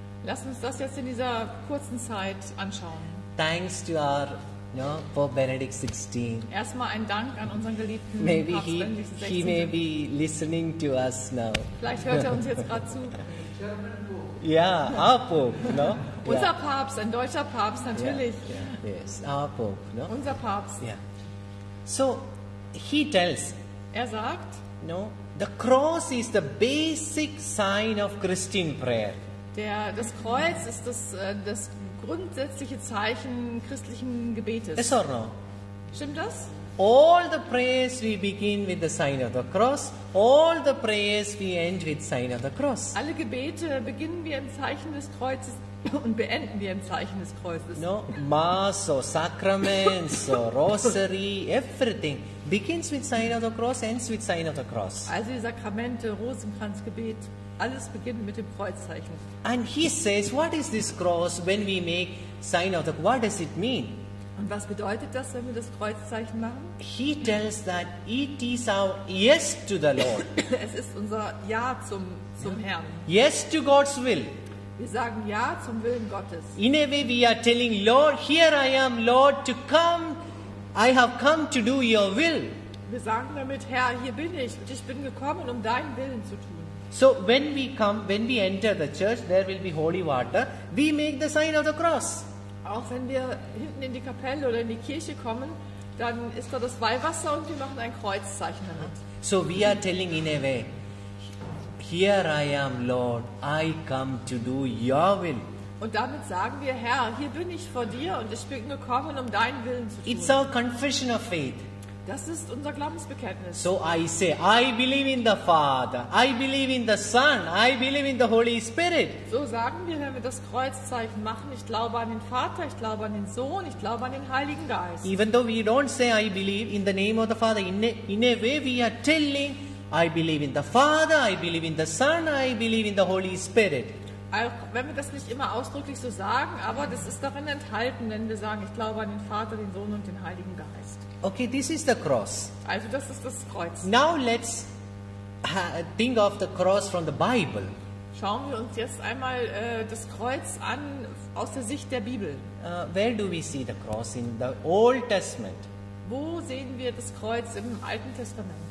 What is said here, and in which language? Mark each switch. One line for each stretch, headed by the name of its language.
German: Lass uns das jetzt in dieser kurzen Zeit anschauen.
English: Thanks to our Pope Benedict XVI.
German: Erstmal ein Dank an unseren geliebten Papst
English: Benedikt XVI. He may be listening to us now.
German: Vielleicht hört er uns jetzt gerade zu.
English: German book.
German: Ja, Apop, ne? Unser Papst, ein deutscher Papst, natürlich. Apop, ne? Unser Papst.
English: Ja. So, he tells.
German: Er sagt.
English: No, the cross is the basic sign of Christian prayer.
German: Das Kreuz ist das grundsätzliche Zeichen christlichen Gebetes.
English: Yes or no?
German: Stimmt das?
English: All the prayers we begin with the sign of the cross. All the prayers we end with sign of the cross.
German: Alle Gebete beginnen wir im Zeichen des Kreuzes und beenden wir im Zeichen des Kreuzes.
English: No, Mass or sacraments or rosary, everything begins with sign of the cross, ends with sign of the cross.
German: Also die Sakramente, Rosenkranz, Gebet, alles beginnt mit dem Kreuzzeichen.
English: And he says, what is this cross when we make sign of the cross? What does it mean?
German: Und was bedeutet das, wenn wir das Kreuzzeichen machen?
English: He tells that it is our yes to the Lord.
German: Es ist unser Ja zum Herrn.
English: Yes to God's will.
German: Wir sagen Ja zum Willen Gottes.
English: In a way we are telling Lord, here I am, Lord, to come. I have come to do your will.
German: Wir sagen damit, Herr, hier bin ich und ich bin gekommen, um deinen Willen zu tun.
English: So when we enter the church, there will be holy water. We make the sign of the cross.
German: Auch wenn wir hinten in die Kapelle oder in die Kirche kommen, dann ist da das Weihwasser und wir machen ein Kreuzzeichen damit.
English: So we are telling in a way, here I am, Lord, I come to do your will.
German: Und damit sagen wir, Herr, hier bin ich vor dir und ich bin gekommen, um deinen Willen zu tun.
English: It's our confession of faith.
German: Das ist unser Glaubensbekenntnis.
English: So I say, I believe in the Father, I believe in the Son, I believe in the Holy Spirit.
German: So sagen wir, wenn wir das Kreuzzeichen machen, ich glaube an den Vater, ich glaube an den Sohn, ich glaube an den Heiligen Geist.
English: Even though we don't say, I believe in the name of the Father, in a way we are telling, I believe in the Father, I believe in the Son, I believe in the Holy Spirit.
German: Auch wenn wir das nicht immer ausdrücklich so sagen, aber das ist darin enthalten, wenn wir sagen, ich glaube an den Vater, den Sohn und den Heiligen Geist.
English: Okay, this is the cross.
German: Also das ist das Kreuz.
English: Now let's think of the cross from the Bible.
German: Schauen wir uns jetzt einmal das Kreuz an aus der Sicht der Bibel.
English: Where do we see the cross in the Old Testament?
German: Wo sehen wir das Kreuz im Alten Testament?